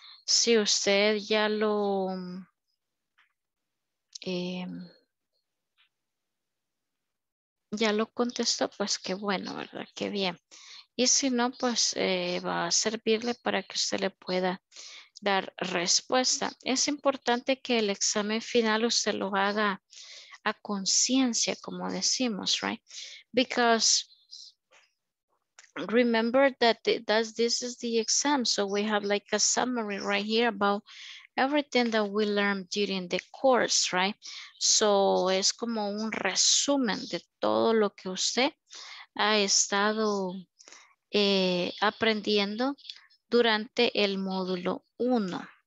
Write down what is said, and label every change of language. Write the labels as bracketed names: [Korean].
[Spanish] Si usted ya lo contestó, pues qué bueno, ¿verdad? Qué bien. Y si no, pues va a servirle para que usted le pueda dar respuesta. Es importante que el examen final usted lo haga a conciencia, como decimos, right? [English] Because remember that this is the exam, so we have like a summary right here about everything that we learned during the course, right? [Spanish] So es como un resumen de todo lo que usted ha estado aprendiendo durante el módulo 1.